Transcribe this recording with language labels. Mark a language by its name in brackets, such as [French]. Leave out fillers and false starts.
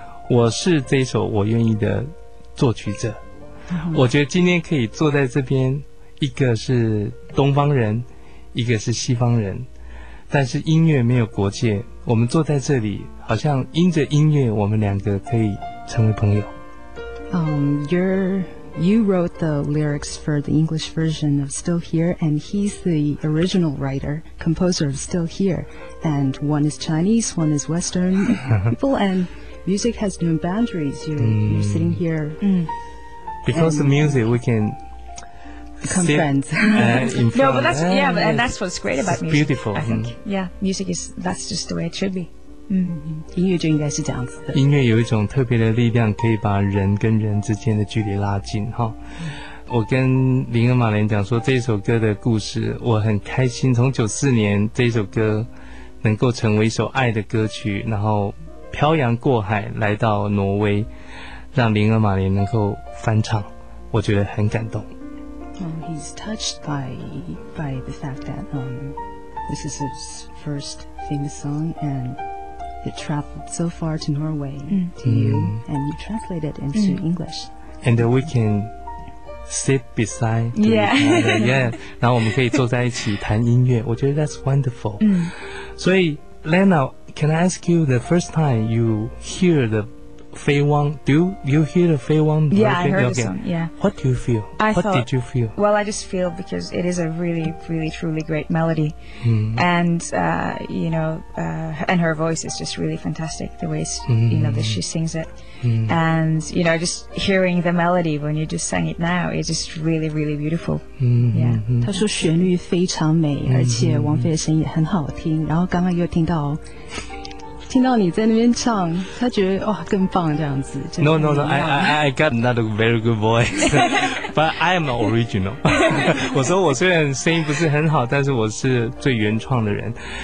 [Chinese] 我是这一首我愿意的作曲者。我觉得今天可以坐在这边，一个是东方人，一个是西方人。但是音乐没有国界，我们坐在这里好像因着音乐我们两个可以成为朋友。 [English] You wrote the lyrics for the English version of Still Here, and he's the original writer, composer of Still Here. And one is Chinese, one is Western people, and music has no boundaries. You're sitting here. Because of music, we can... Become friends. And that's what's great about music. It's beautiful. I think. Yeah, music is, that's just the way it should be. [Chinese] 音乐就应该是这样子的。音乐有一种特别的力量，可以把人跟人之间的距离拉近。我跟林恩马莲讲说这首歌的故事，我很开心从94年这首歌能够成为一首爱的歌曲，然后漂洋过海来到挪威让林恩马莲能够翻唱，我觉得很感动。 [English] He's touched by the fact that this is his first famous song and it traveled so far to Norway to you and you translate it into English. And we can sit beside the yeah. [Chinese] 然后我们可以坐在一起谈音乐，我觉得 [English] that's wonderful. 所以 Lena, can I ask you the first time you hear the Fei Wang, do you hear the Fei Wang? Yeah, I heard the song, yeah. What do you feel? What did you feel? Well, I just feel because it is a really, really, truly great melody. Mm-hmm. And, you know, and her voice is just really fantastic, the way, mm-hmm. you know, that she sings it. Mm-hmm. And, you know, just hearing the melody when you just sang it now, it's just really, really beautiful. Mm-hmm. Yeah. [Chinese] 她说旋律非常美，而且王菲的声音也很好听，然后刚刚又听到听到你在那边唱，他觉得哇更棒这样子。 [English] No, I got not a very good voice, but I am the original. [Chinese] 我说我虽然声音不是很好，但是我是最原创的人。